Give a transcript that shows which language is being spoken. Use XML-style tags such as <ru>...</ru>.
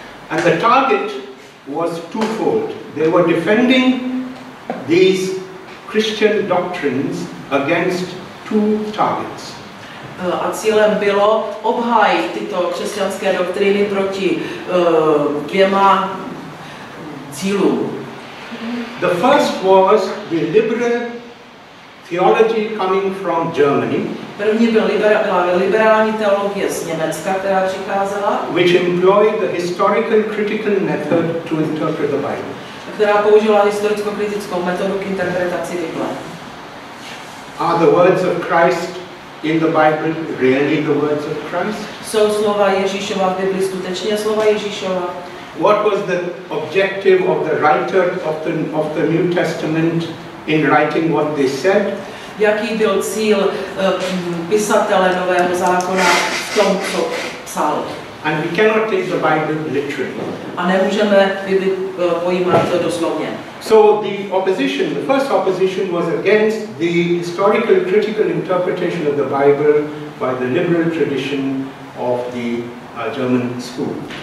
<en>And the target was twofold. They were defending these Christian doctrines against two targets.</en> <cs>A cílem bylo obhájit tyto křesťanské doktriny proti dvěma cílům.</cs> <en>The first was the liberal theology coming from Germany.</en> <cs>První byla liberální teologie z Německa, která přicházela,</cs> <en>which employed the historical critical method to interpret the Bible.</en> <cs>Která použila historicko-kritickou metodu k interpretaci Bible.</cs> <en>Are the words of Christ in the Bible really the words of Christ?</en> <cs>Jsou slova Ježíšova v Bibli skutečně slova Ježíšova?</cs> <en>What was the objective of the writer of the New Testament in writing what they said?</en> <cs>Jaký byl cíl pisatele Nového zákona v tom, co psal?</cs> <en>And we cannot take the Bible literally.</en> <cs>A nemůžeme Bibli pojímat doslovně.</cs> <en>So the first opposition was against the historical critical interpretation of the Bible by the liberal tradition of the German school.</en>